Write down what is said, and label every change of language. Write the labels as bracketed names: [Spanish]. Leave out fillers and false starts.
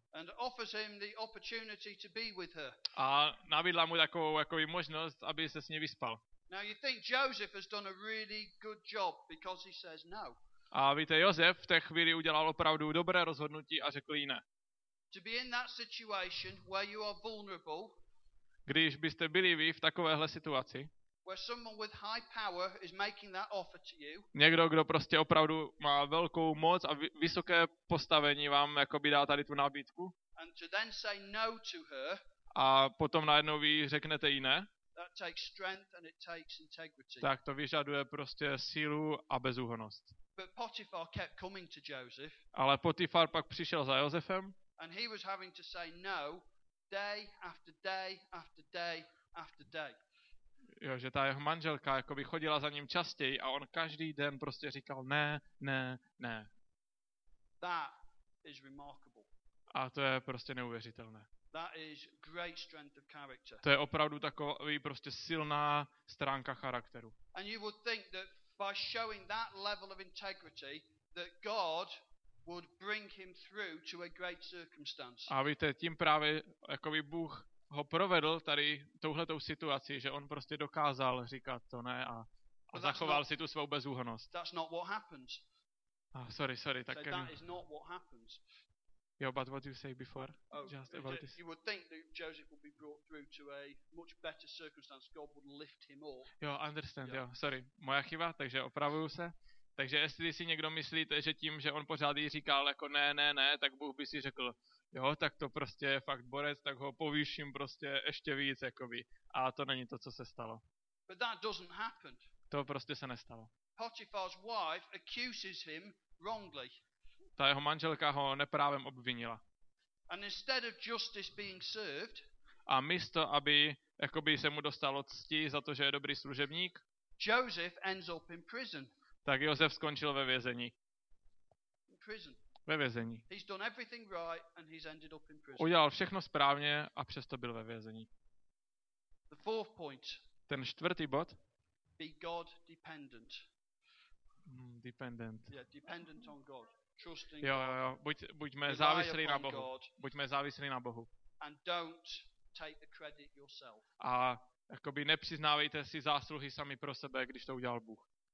[English] And offers him the opportunity to be with her. [Czech] A nabídla mu takovou jako možnost, aby se s ní vyspal. [English] Now you think Joseph has done a really good job because he says no. [Czech] A víte, Josef v té chvíli udělal opravdu dobré rozhodnutí a řekl jí ne. [English] To be in that situation where you are vulnerable. [Czech] Když byste byli vy v takovéhle situaci, [English] where someone with high power is making that offer to you, [Czech] někdo, kdo prostě opravdu má velkou moc a vysoké postavení vám jakoby dá tady tu nabídku, [English] and to then say no to her, [Czech] a potom najednou vy řeknete jí ne, [English] that takes strength and it takes integrity. [Czech] Tak to vyžaduje prostě sílu a bezúhonnost. [English] But Potiphar kept coming to Joseph, [Czech] ale Potifar pak přišel za Josefem [English] a he was having to say no. Day after day after day after day. [Czech] Jo, že ta jeho manželka jako by chodila za ním častěji a on každý den prostě říkal ne, ne, ne. [English] That is remarkable. [Czech] A to je prostě neuvěřitelné. [English] That is great strength of character. [Czech] To je opravdu takový prostě silná stránka charakteru. [English] And you would think that by showing that level of integrity that God would bring him through to a great circumstance. [Czech] A víte, tím právě jakoby Bůh ho provedl tady touhletou situací, že on prostě dokázal říkat to ne a zachoval si tu svou bezúhonnost. [English] That's not what happens. Oh, sorry, tak. So that is not what happens. Yeah, but what you say before? Oh, just about this. You would think that Joseph would be brought through to a much better circumstance. God would lift him up. Jo, understand. Yeah. Jo, sorry. [Czech] Moja chyba, takže opravuju se. Takže jestli si někdo myslíte, že tím, že on pořád jí říkal jako ne, tak Bůh by si řekl, jo, tak to prostě je fakt borec, tak ho povýším prostě ještě víc, jakoby. A to není to, co se stalo. [English] But that doesn't happen. [Czech] To prostě se nestalo. [English] Potiphar's wife accuses him wrongly. [Czech] Ta jeho manželka ho neprávem obvinila. [English] And instead of justice being served, [Czech] a místo, aby jakoby se mu dostalo cti za to, že je dobrý služebník, [English] Joseph ends up in prison. [Czech] Tak Josef skončil ve vězení. [English] In prison. [Czech] Ve vězení. [English] He's done everything right and he's ended up in prison. [Czech] Udělal všechno správně a přesto byl ve vězení. [English] The fourth point. [Czech] Ten čtvrtý bod. [English] Be God dependent. Dependent. Yeah, dependent on God. [Czech] Trusting jo, God. Buďme závislí na Bohu. God. Buďme závislí na Bohu. [English] And don't take the credit yourself. [Czech] A jakoby nepřiznávejte si zásluhy sami pro sebe, když to udělal Bůh.